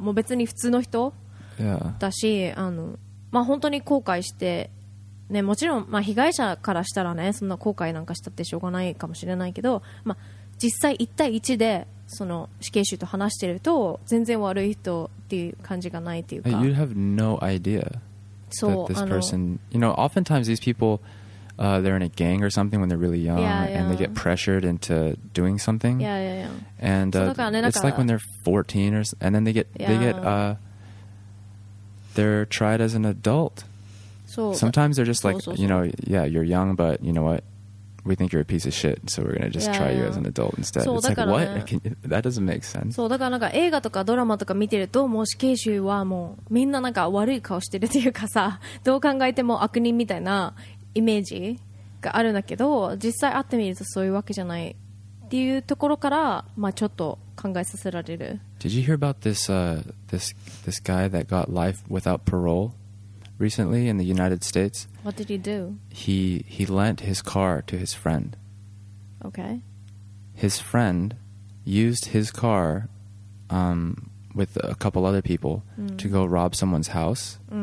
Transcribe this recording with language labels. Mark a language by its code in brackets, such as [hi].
[ja] もう別に普通の人だし、 [en] yeah. [ja] まあ本当に後悔してね、もちろん、まあ、被害者からしたらね、そんな後悔なんかしたってしょうがないかもしれないけど、まあ、実際1対1でその死刑囚と話してると全然悪い人っていう感じがないっていうか、 [en] You have no idea that this person, you know, oftentimes these people, they're in a gang or something when they're really young, yeah, yeah. and they get pressured into doing something, yeah, yeah, yeah. and it's like when they're 14 or, and then they get, yeah. they get, they're tried as an adult. Sometimes they're just like, [ja] そうそうそう [en] you know, yeah, you're young, but you know what? We think you're a piece of shit, so we're going to just yeah, try yeah. you as an adult instead. [ja] そう、 [en] It's like, what? That doesn't make sense. [ja] そう、だからなんか映画とかドラマとか見てると、もう死刑囚はもうみんななんか悪い顔してるっていうかさ、どう考えても悪人みたいなイメージがあるんだけど、実際会ってみるとそういうわけじゃないっていうところから、まあちょっと考えさせられる。 [en] Did you hear about this, this guy that got life without parole? Recently in the United States. What did he do? He lent his car to his friend. Okay. His friend used his car with a couple other people to go rob someone's house.